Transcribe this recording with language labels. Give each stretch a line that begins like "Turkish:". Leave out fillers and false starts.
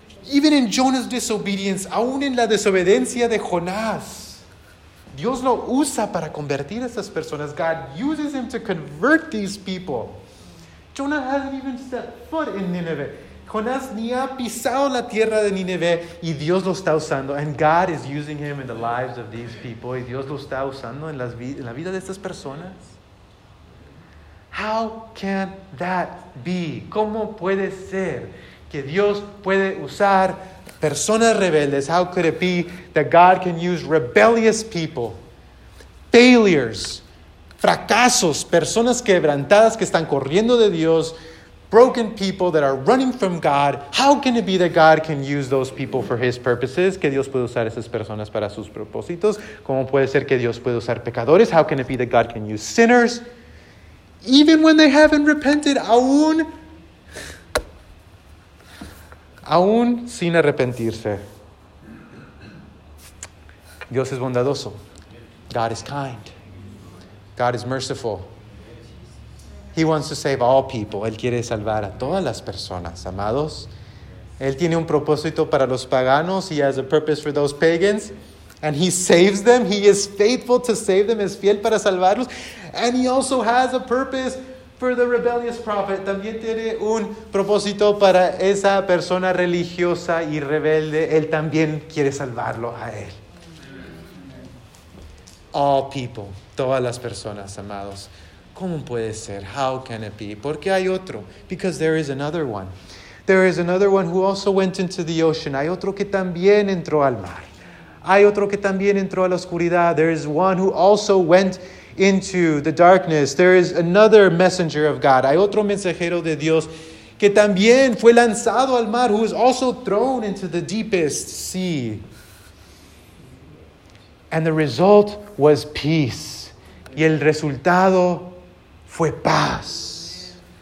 English: Even in Jonah's disobedience,
Spanish: aún en la desobediencia de Jonás, Dios lo usa para convertir a esas personas.
English: God uses him to convert these people. Jonah hasn't even stepped foot in Nineveh.
Spanish: Jonás ni ha pisado la tierra de Nineveh y Dios lo está usando.
English: And God is using him in the lives of these people.
Spanish: Y Dios lo está usando en la vida de estas personas.
English: How can that be?
Spanish: ¿Cómo puede ser que Dios puede usar personas rebeldes?
English: How could it be that God can use rebellious people? Failures,
Spanish: fracasos, personas quebrantadas que están corriendo de Dios,
English: broken people that are running from God. How can it be that God can use those people for his purposes?
Spanish: Que Dios puede usar esas personas para sus propósitos. ¿Cómo puede ser que Dios puede usar pecadores?
English: How can it be that God can use sinners? Even when they haven't repented,
Spanish: aún sin arrepentirse. Dios es bondadoso.
English: God is kind. God is merciful. He wants to save all people.
Spanish: Él quiere salvar a todas las personas, amados. Él tiene un propósito para los paganos.
English: He has a purpose for those pagans. And he saves them. He is faithful to save them.
Spanish: Es fiel para salvarlos.
English: And he also has a purpose for the rebellious prophet.
Spanish: También tiene un propósito para esa persona religiosa y rebelde. Él también quiere salvarlo a él.
English: All people.
Spanish: Todas las personas, amados. ¿Cómo puede ser?
English: How can it be?
Spanish: Porque hay otro.
English: Because there is another one. There is another one who also went into the ocean.
Spanish: Hay otro que también entró al mar. Hay otro que también entró a la oscuridad.
English: There is one who also went into the darkness. There is another messenger of God.
Spanish: Hay otro mensajero de Dios que también fue lanzado al mar,
English: who is also thrown into the deepest sea. And the result was peace.
Spanish: Y el resultado fue paz.